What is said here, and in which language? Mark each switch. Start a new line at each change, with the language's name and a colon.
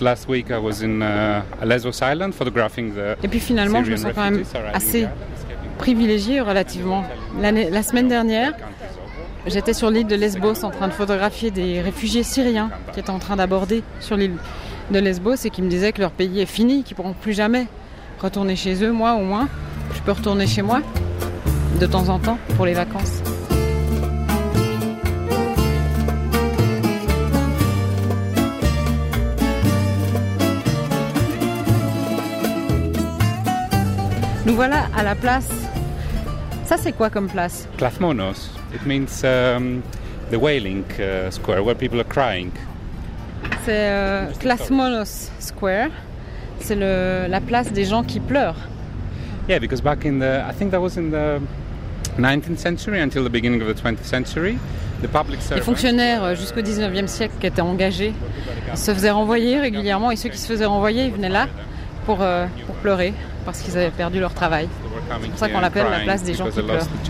English: Last week I was in Lesbos Island photographing the Syrian refugees.
French: Et puis finalement, je me sens quand même assez privilégié relativement. La semaine dernière, j'étais sur l'île de Lesbos en train de photographier des réfugiés syriens qui étaient en train d'aborder sur l'île de Lesbos et qui me disaient que leur pays est fini, qu'ils ne pourront plus jamais retourner chez eux. Moi, au moins, je peux retourner chez moi de temps en temps pour les vacances. Nous voilà à la place. Ça, c'est quoi comme place? Klathmonos.
English: It means the wailing square, where people are crying.
French: C'est Klathmonos Square. C'est la place des gens qui pleurent.
English: Yeah, because back in the... I think that was in the 19th century until the beginning of the 20th century.
French: Les fonctionnaires jusqu'au 19e siècle qui étaient engagés se faisaient renvoyer régulièrement et ceux qui se faisaient renvoyer, ils venaient là pour pleurer. Parce qu'ils avaient perdu leur travail. C'est pour ça qu'on l'appelle la place des gens qui pleurent.